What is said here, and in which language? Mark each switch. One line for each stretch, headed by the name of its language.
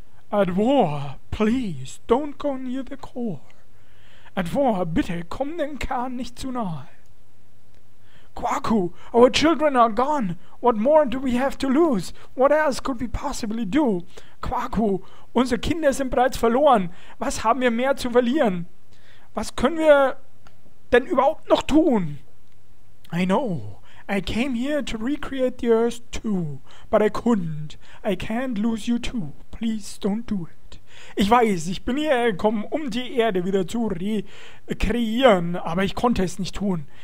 English: At war, please, don't go near the core.
German: At war, bitte, komm den Kern nicht zu nahe.
English: Quarko, our children are gone. What more do we have to lose? What else could we possibly do?
German: Quarko, unsere Kinder sind bereits verloren. Was haben wir mehr zu verlieren? Was können wir denn überhaupt noch tun?
English: I know. I came here to recreate the Earth too. But I couldn't. I can't lose you too. Please don't do it.
German: Ich weiß, ich bin hierher gekommen, um die Erde wieder zu rekreieren, aber ich konnte es nicht tun.